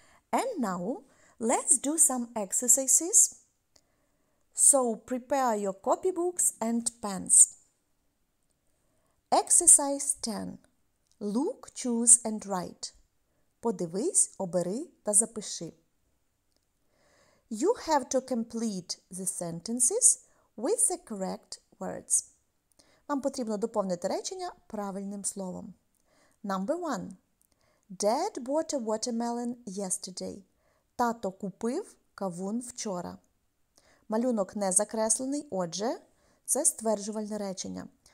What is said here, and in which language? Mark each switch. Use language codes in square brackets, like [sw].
[en] And now, let's do some exercises. So, prepare your copybooks and pens. Exercise 10. Look, choose and write. [uk] Подивись, обери та запиши. [en] You have to complete the sentences with the correct words. [uk] Вам потрібно доповнити речення правильним словом. [en] Number 1. Dad bought a watermelon yesterday. [uk] Тато купив кавун вчора. Малюнок не закреслений, отже, це стверджувальне речення.